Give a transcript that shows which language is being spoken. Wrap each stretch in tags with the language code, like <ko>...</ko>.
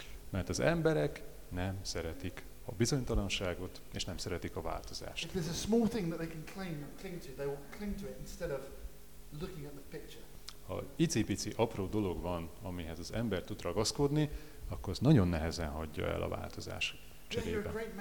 <hu>Mert az emberek nem szeretik a bizonytalanságot, és nem szeretik a változást.</hu> <en>If there's a small thing that they can cling to, they will cling to it instead of looking at the picture.</en> <hu>ha icipici apró dolog van, amihez az ember tud ragaszkodni, akkor az nagyon nehezen hagyja el a változás cserébe.</hu>